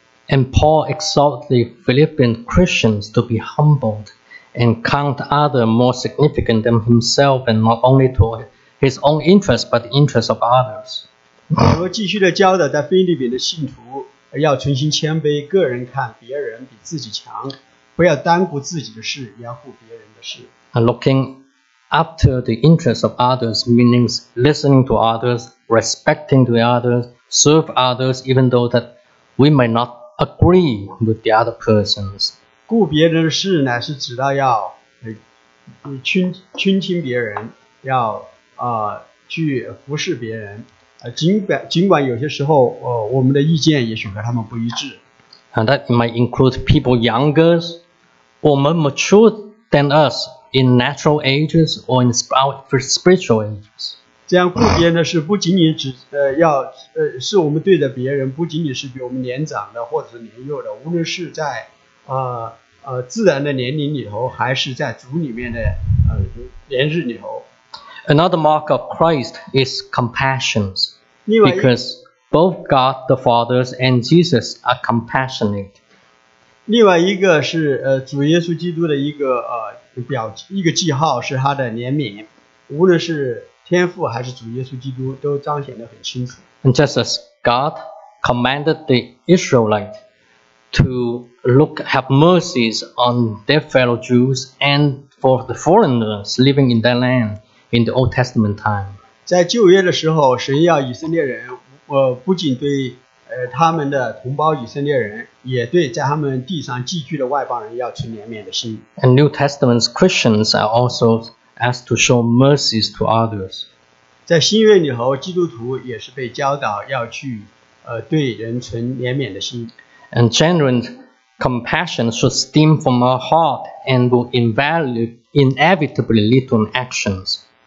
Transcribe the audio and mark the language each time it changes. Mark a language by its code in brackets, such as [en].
[en] And Paul exhorted the Philippian Christians to be humbled and count others more significant than himself and not only to his own interests but the interests of others. [zh] 我继续地教导在腓立比的信徒要存心谦卑，个人看别人比自己强，不要单顾自己的事，也要顾别人的事。 [en] Looking after the interests of others means listening to others. Respecting the others, serve others, even though that we might not agree with the other persons. [zh] 顾别人的事呢，是指到要倾听别人，要去服侍别人。尽管有些时候，我们的意见也许和他们不一致。 [en] And that might include people younger, or more mature than us in natural ages or in spiritual ages. [zh] 这样顾别人的事不仅仅只要是我们对着别人，不仅仅是比我们年长的或者是年幼的，无论是在自然的年龄里头，还是在主里面的年日里头。 [en] Another mark of Christ is compassion, because both God the Father and Jesus are compassionate. [zh] 另外一个是主耶稣基督的一个记号是他的怜悯，无论是天父还是主耶稣基督都彰显得很清楚。 [en] And just as God commanded the Israelites to look, have mercies on their fellow Jews and for the foreigners living in that land in the Old Testament time. [zh] 在旧约的时候, 神要以色列人, 不仅对, 他们的同胞以色列人, 也对在他们地上寄居的外邦人要存怜悯的心。 [en] And New Testament Christians are also asked to show mercies to others. [zh] 在新约里头, 基督徒也是被教导要去, 对人存怜悯的心。 [en] And genuine compassion should stem from our heart and will inevitably lead to actions.